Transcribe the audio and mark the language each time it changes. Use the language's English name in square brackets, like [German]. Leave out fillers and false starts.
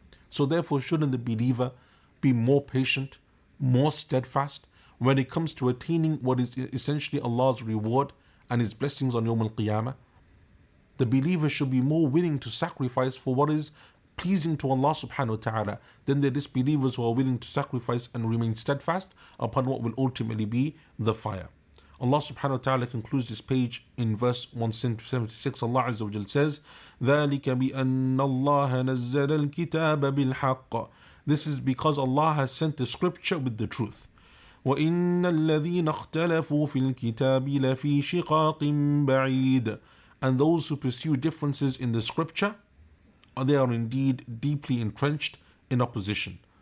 [English] So therefore, shouldn't the believer be more patient, more steadfast when it comes to attaining what is essentially Allah's reward and His blessings on Yawm al-Qiyamah? The believer should be more willing to sacrifice for what is pleasing to Allah subhanahu wa ta'ala than the disbelievers who are willing to sacrifice and remain steadfast upon what will ultimately be the fire. Allah subhanahu wa ta'ala concludes this page in verse 176. Allah Azza wa Jalla says, [Arabic] ذَلِكَ بِأَنَّ اللَّهَ نَزَّلَ الْكِتَابَ بِالْحَقَّ. [English] This is because Allah has sent the scripture with the truth. [Arabic] وَإِنَّ الَّذِينَ اخْتَلَفُوا فِي الْكِتَابِ لَفِي شِقَاقٍ بَعِيدٍ. [English] And those who pursue differences in the scripture, they are indeed deeply entrenched in opposition.